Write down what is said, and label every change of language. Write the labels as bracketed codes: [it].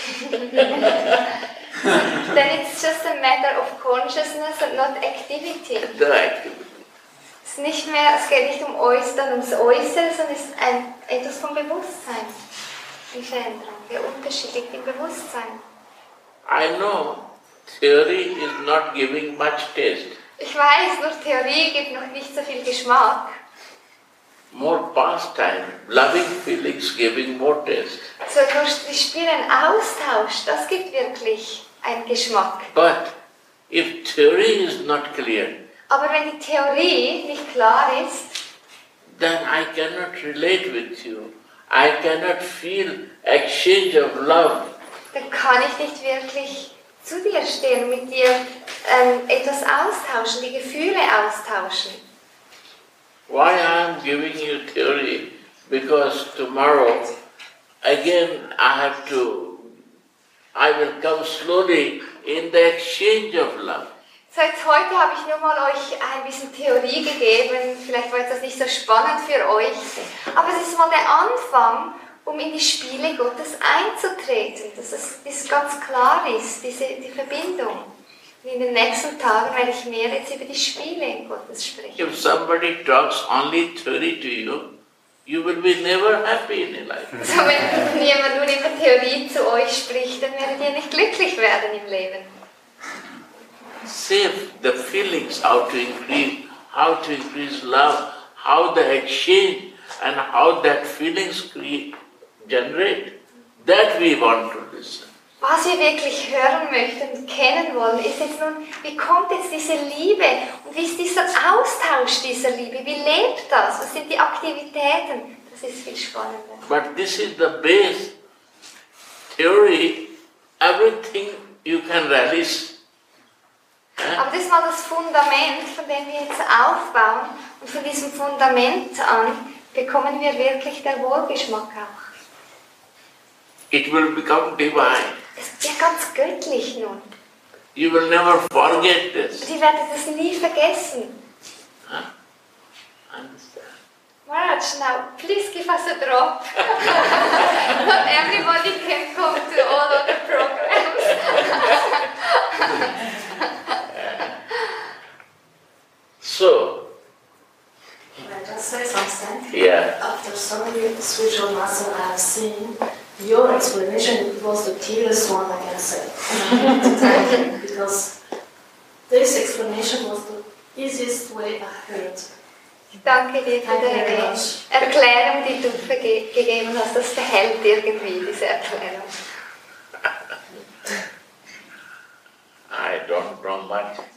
[en] Then it's just a matter of consciousness and not activity. Direct. [de] Nicht mehr, es geht nicht um Äußern, ums Äußere, sondern es ist etwas vom Bewusstsein. Die Veränderung, der Unterschied liegt im Bewusstsein. [en] I know, theory is not giving much taste. [de] Ich weiß, nur Theorie gibt noch nicht so viel Geschmack. [en] More pastime, loving feelings giving more taste. [de] So nur die spielen Austausch, das gibt wirklich einen Geschmack. [en] But if theory is not clear, [de] aber wenn die Theorie nicht klar ist, [en] then I cannot relate with you. I cannot feel exchange of love. [de] Dann kann ich nicht wirklich zu dir stehen, mit dir etwas austauschen, die Gefühle austauschen. [en] Why I am giving you theory? Because tomorrow again I will come slowly in the exchange of love. [de] So jetzt heute habe ich nur mal euch ein bisschen Theorie gegeben, vielleicht war das nicht so spannend für euch, aber es ist mal der Anfang, um in die Spiele Gottes einzutreten, dass es das ganz klar ist, die Verbindung. Und in den nächsten Tagen werde ich mehr jetzt über die Spiele Gottes sprechen. [en] If somebody talks only theory to you, you will be never happy in your life. [de] So wenn jemand nur über Theorie zu euch spricht, dann werdet ihr nicht glücklich werden im Leben. [en] Save the feelings, how to increase love, how the exchange and how that feelings generate. That we want to listen. [de] Was wir wirklich hören möchten und kennen wollen, ist jetzt nun, wie kommt jetzt diese Liebe und wie ist dieser Austausch dieser Liebe? Wie lebt das? Was sind die Aktivitäten? Das ist viel spannender. [en] But this is the base theory, everything you can realize. [de] Aber das war das Fundament, von dem wir jetzt aufbauen. Und von diesem Fundament an bekommen wir wirklich den Wohlgeschmack auch. [en] It will become divine. [de] Es wird ganz göttlich nun. [en] You will never forget this. [de] Und ihr werdet es nie vergessen. [en] Maharaj, now please give us a drop. Not everybody can come to all of the programs. So, can I just say something? Yeah. After so many spiritual masters I have seen, your explanation was the clearest one I can say. Because this explanation was the easiest way I heard. [de] Danke dir für deine Erklärung, die du gegeben hast. Das verhält irgendwie, diese Erklärung. [en] I don't know much.